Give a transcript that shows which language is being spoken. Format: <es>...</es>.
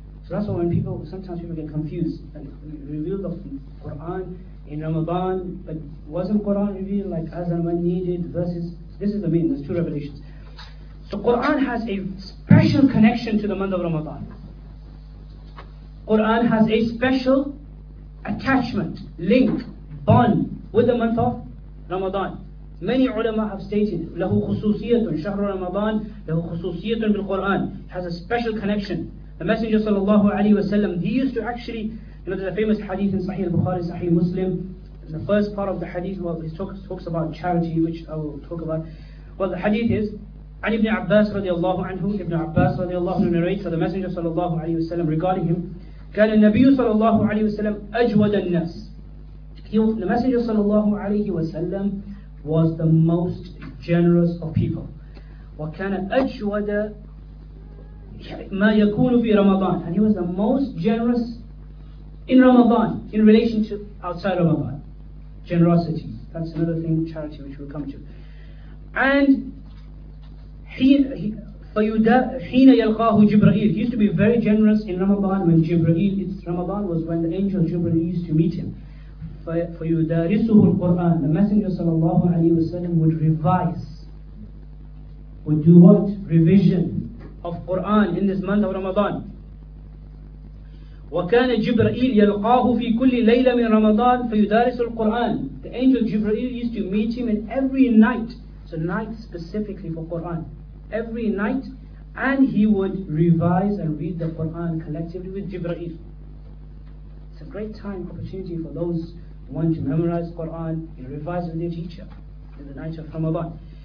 <en>So that's why sometimes people get confused and reveal the Quran in Ramadan, but wasn't Quran revealed like as and when needed versus, this is the meaning, there's two revelations. So Quran has a special connection to the month of Ramadan. Quran has a special attachment, link, bond with the month of Ramadan.</en> <ar>Many ulama have stated, لَهُ خُصُوصِيَةٌ شَهْرُ رَمَضَانٍ لَهُ خُصُوصِيَةٌ بِالْقُرْآنِ.</ar> <en>It has a special connection. The Messenger sallallahu alayhi wa sallam, he used to actually, you know, there's a famous hadith in Sahih al-Bukhari, Sahih Muslim. The first part of the hadith, well, he talks about charity, which I will talk about. Well, the hadith is, Ali ibn Abbas radiallahu anhu, Ibn Abbas radiallahu anhu narrates, so the Messenger sallallahu alayhi wa sallam regarding him, كان النبي sallallahu alayhi wa sallam أجود الناس. The Messenger sallallahu alayhi wa sallam was the most generous of people.</en> <ar>وكان أجود ما يكون في رمضان.</ar> <en>And he was the most generous in Ramadan, in relation to outside Ramadan. Generosity, that's another thing, charity, which we'll come to. And حِينَ يَلْقَاهُ جِبْرَئِيلُ. He used to be very generous in Ramadan when Jibreel, it's Ramadan was when the angel Jibreel used to meet him.</en> <ar>فَيُدَارِسُهُ الْقُرْآنِ.</ar> <en>The Messenger sallallahu alayhi wa sallam would revise, would do what? Revision of Quran in this month of Ramadan.</en> <ar>وكان جبرائيل يلقاه في كل ليلة من رمضان فيدارس القرآن.</ar> <en>The angel Jibreel used to meet him in every night. So night specifically for Quran. Every night. And he would revise and read the Quran collectively with Jibreel. It's a great time, opportunity for those who want to memorize Quran and revise with their teacher in the night of Ramadan.</en>